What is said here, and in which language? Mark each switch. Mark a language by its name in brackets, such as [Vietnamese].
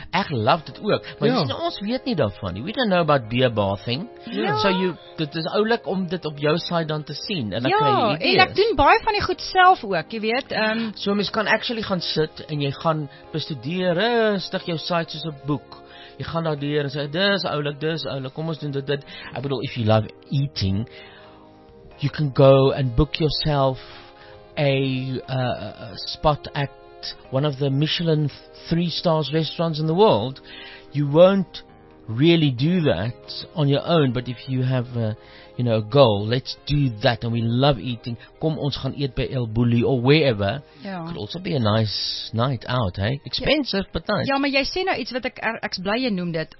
[Afrikaans] Ek love dit ook, maar ons weet nie daarvan, [English] we don't know about beer bathing, [Afrikaans] so you, dit is oulik om dit op jou side dan te sien, en dan kry jy idees. Ja, en ek doen baie van die goed self ook, jy weet. So mense kan actually gaan sit, en jy gaan bestudeer rustig jou site soos 'n boek. Jy gaan daar deur en sê, dis oulik, kom ons doen dit. Ek bedoel, [English] if you love eating, you can go and book yourself a spot at one of the Michelin 3 stars restaurants in the world. You won't really do that on your own, but if you have a goal, let's do that, and we love eating. [Afrikaans] Kom, ons gaan eet by El Bulli [English] or wherever. Yeah. Could also be a nice night out, hey? Expensive, but nice. [Afrikaans] Ja, maar jy sê nou iets wat ek bly jy noem dit.